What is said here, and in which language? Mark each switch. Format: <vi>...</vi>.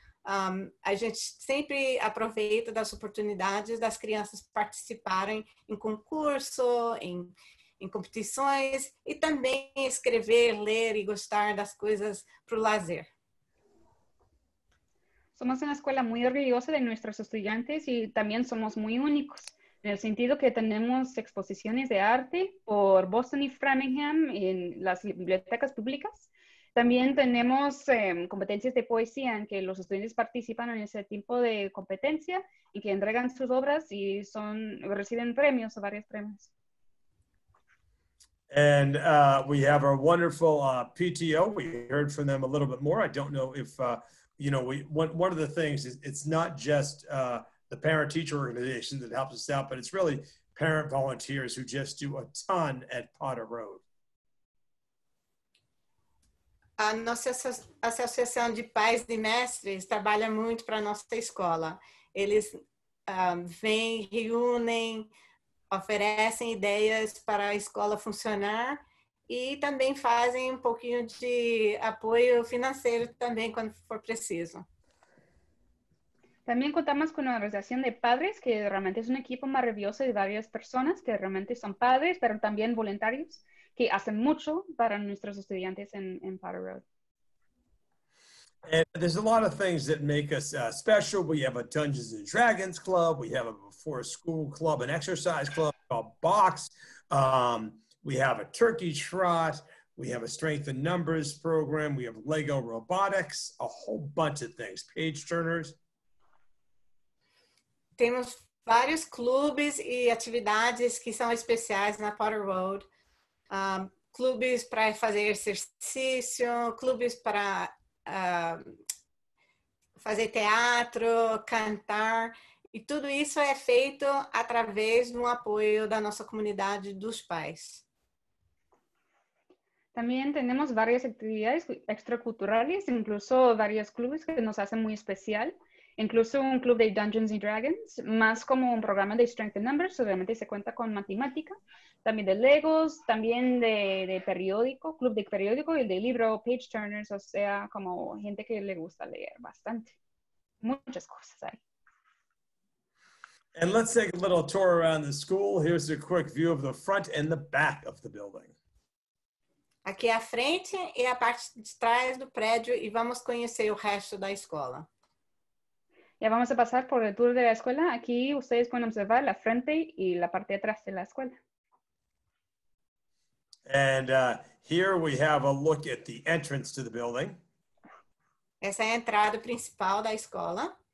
<pt>A gente sempre aproveita das oportunidades das crianças participarem em concurso, em competições e também escrever, ler e gostar das coisas para o lazer. Somos uma escola muito orgulhosa de nossos estudantes e também somos muito únicos, no sentido que temos exposições de arte por Boston e Framingham em</pt> <es>las bibliotecas públicas. También tenemos competencias de poesía en que los estudiantes participan en ese tipo de competencia y que entregan sus obras y reciben premios o varios premios.</es> <en>And we have our wonderful PTO. We heard from them a little bit more. I don't know if, you know, one of the things is it's not just the parent-teacher organization that helps us out, but it's really parent volunteers who just do a ton at Potter Road.</en> <pt>A nossa associação de pais e mestres trabalha muito para a nossa escola. Eles vêm, reúnem, oferecem ideias para a escola funcionar e também fazem um pouquinho de apoio financeiro também quando for preciso.</pt> <es>También contamos con una organización de padres que realmente es un equipo maravilloso de varias personas que realmente son padres, pero también voluntarios que hacen mucho para nuestros estudiantes en Potter Road.</es> <en>And there's a lot of things that make us special. We have a Dungeons and Dragons club. We have a before school club, an exercise club, a box. We have a turkey trot. We have a strength in numbers program. We have Lego robotics, a whole bunch of things, page turners.</en> <pt>Temos vários clubes e atividades que são especiais na Potter Road. Clubes para fazer exercício, clubes para fazer teatro, cantar. E tudo isso é feito através do apoio da nossa comunidade dos pais.</pt> <es>También tenemos varias actividades extraculturales, incluso varios clubes que nos hacen muy especial. Incluso un club de Dungeons and Dragons, más como un programa de Strength in Numbers, obviamente se cuenta con matemática, también de Legos, también de periódico, club de periódico y de libro, page turners, o sea, como gente que le gusta leer bastante. Muchas cosas hay.</es> <en>And let's take a little tour around the school. Here's a quick view of the front and the back of the building.</en> <pt>Aqui a frente e a parte de trás do prédio e vamos conhecer o resto da escola.</pt> <es>Ya vamos a pasar por el tour de la escuela. Aquí ustedes pueden observar la frente y la parte de atrás de la escuela.</es> <en>And here we have a look at the entrance to the building.</en> <es>Esa es la entrada principal de la escuela.</es>